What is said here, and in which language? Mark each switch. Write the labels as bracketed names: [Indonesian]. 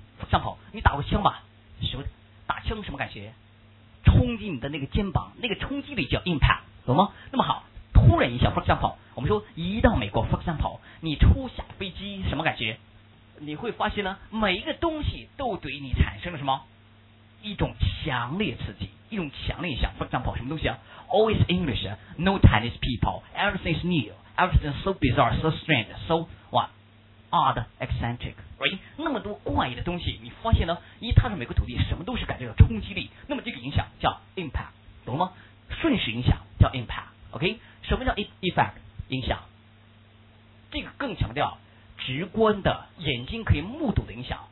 [Chinese] 上跑，你打过枪吧？什么打枪什么感觉？冲击你的那个肩膀，那个冲击力叫 impact， 懂吗？那么好，突然一下 ，for example， 我们说一到美国 ，for example， 你出下飞机什么感觉？你会发现呢，每一个东西都对你产生了什么？一种强烈刺激，一种强烈影响。 [English] For example， [Chinese] 什么东西啊 [English] ？Always English， no Chinese people， everything is new， everything is so bizarre， so strange， so what？ Odd, eccentric, right? [Chinese] 那么多怪异的东西，你发现呢？一踏上美国土地，什么都是感觉到冲击力。那么这个影响叫 impact， 懂了吗？瞬时影响叫 impact， OK？什么叫 effect 影响？这个更强调直观的眼睛可以目睹的影响。